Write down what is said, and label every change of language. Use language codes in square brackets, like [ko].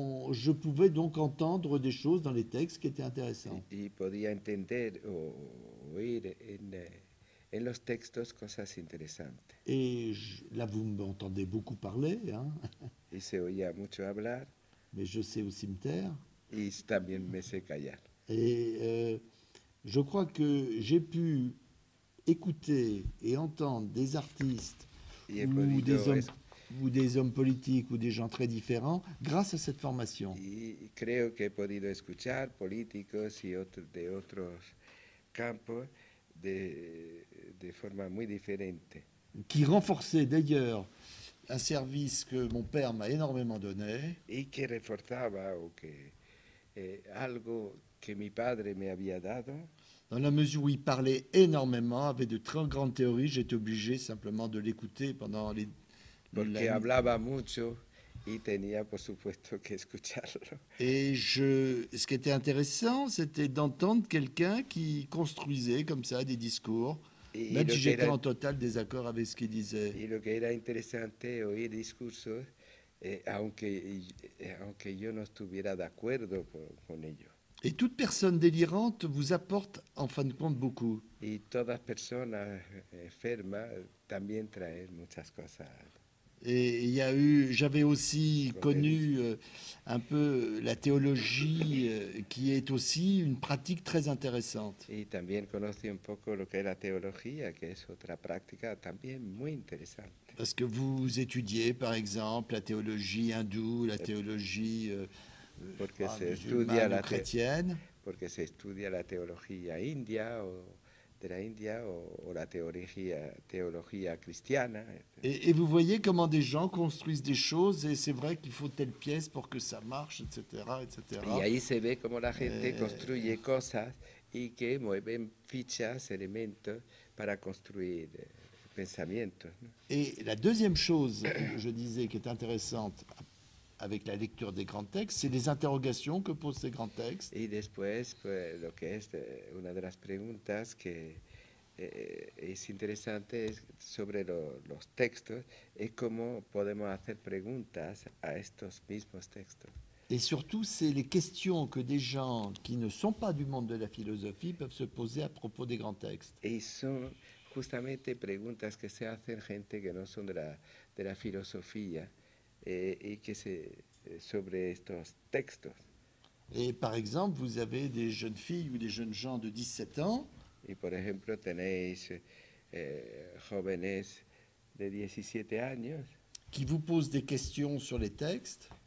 [fr] je pouvais donc entendre des choses dans les textes qui étaient intéressantes. [es] Y podía entender o oír en los textos cosas interesantes. [fr] Et là, vous m'entendez beaucoup parler. Hein. [es] Y se oía mucho hablar. [fr] Mais je sais aussi me taire. [es] Y también me sé callar. [fr] Je crois que j'ai pu écouter et entendre des artistes ou des hommes politiques ou des gens très différents grâce à cette formation. [es] Creo que he podido escuchar políticos y otros campos de forma muy diferente. [fr] Qui renforçait d'ailleurs un service que mon père m'a énormément donné. [es] Y que reforzaba o que algo que mi padre me había dado. [fr] Dans la mesure où il parlait énormément, avait de très grandes théories, j'étais obligé simplement de l'écouter pendant les. [es] Porque hablaba mucho y tenía por supuesto que escucharlo. [fr] Et ce qui était intéressant, c'était d'entendre quelqu'un qui construisait comme ça des discours, même si j'étais en total désaccord avec ce qu'il disait. [es] Y lo que era interesante oír discursos, aunque yo no estuviera de acuerdo con ello. [fr] Et toute personne délirante vous apporte, en fin de compte, beaucoup. Et toute personne [es] enferma también trae muchas cosas. [fr] Et il y a eu, j'avais aussi connu un peu la théologie, qui est aussi une pratique très intéressante. [es] Y también conocí un poco lo que es la teología, que es otra práctica también muy interesante. [fr] Parce que vous étudiez, par exemple, la théologie hindoue, la théologie. [es] Porque se estudia [fr] la chrétienne, [es] porque se estudia la teología india o de la India o la teología cristiana. [fr] Et vous voyez comment des gens construisent des choses et c'est vrai qu'il faut telle pièce pour que ça marche, etc., etc. [es] Y ahí se ve cómo la gente construye cosas y que mueven fichas, elementos para construir pensamientos. [fr] Et la deuxième chose, je disais, qui est intéressante. Avec la lecture des grands textes, c'est les interrogations que posent ces grands textes. [es] Et después, pues, lo que es una de las preguntas que es interesante es sobre los textos y cómo podemos hacer preguntas a estos mismos textos. [fr] Et surtout, c'est les questions que des gens qui ne sont pas du monde de la philosophie peuvent se poser à propos des grands textes. [es] Y son justamente preguntas que se hacen gente que no son de la filosofía. [fr] Et que c'est sur ces textes. Et par exemple, vous avez des jeunes filles ou des jeunes gens de 17 ans. Et par exemple, vous avez des jeunes de 17 ans. Qui vous posent des questions sur les textes.